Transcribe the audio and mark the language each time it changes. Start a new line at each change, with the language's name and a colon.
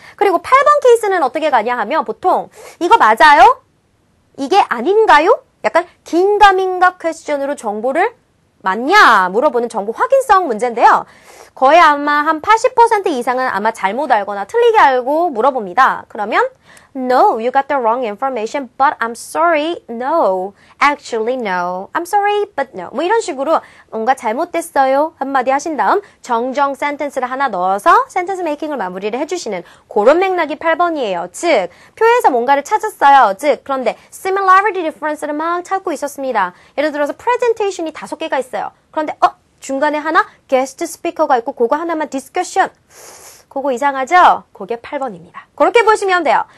Korean: 그리고 8번 케이스는 어떻게 가냐 하면 보통 이거 맞아요? 이게 아닌가요? 약간 긴가민가 퀘스천으로 정보를 맞냐 물어보는 정보 확인성 문제인데요. 거의 아마 한 80% 이상은 아마 잘못 알거나 틀리게 알고 물어봅니다. 그러면
English: No, you got the wrong information, but I'm sorry, no. Actually, no. I'm sorry, but no.
Korean: 뭐 이런 식으로 뭔가 잘못됐어요 한마디 하신 다음 정정 센텐스를 하나 넣어서 센텐스 메이킹을 마무리를 해주시는 그런 맥락이 8번이에요. 즉, 표에서 뭔가를 찾았어요. 즉, 그런데 similarity difference를 막 찾고 있었습니다. 예를 들어서 presentation이 다섯 개가 있어요. 그런데 중간에 하나 guest speaker가 있고 그거 하나만 discussion. 그거 이상하죠? 그게 8번입니다. 그렇게 보시면 돼요.